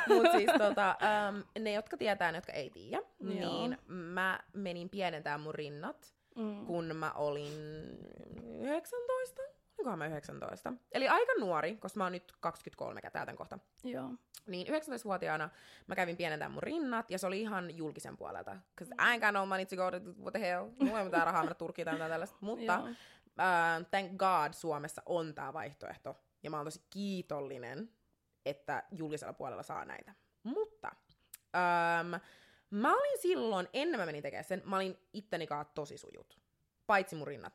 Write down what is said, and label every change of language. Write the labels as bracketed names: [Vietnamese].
[Finnish] Mut siis ne, jotka tietää, ne, jotka ei tiedä, niin mä menin pienentämään mun rinnat, kun mä olin 19. Onkohan mä 19? Eli aika nuori, koska mä oon nyt 23, mikä täältä kohta. Joo. Niin 19-vuotiaana mä kävin pienentämään mun rinnat, ja se oli ihan julkisen puolelta. [English] Cause I ain't got no money to go to, what the hell? [Finnish] Mulla ei mitään rahaa mennä Turkiin tai tällaista. Mutta [English] thank God [Finnish] Suomessa on tää vaihtoehto. Ja mä oon tosi kiitollinen, että julkisella puolella saa näitä. Mutta mä olin silloin, ennen mä menin tekemään sen, mä olin itteni kanssa tosi sujut. Paitsi mun rinnat.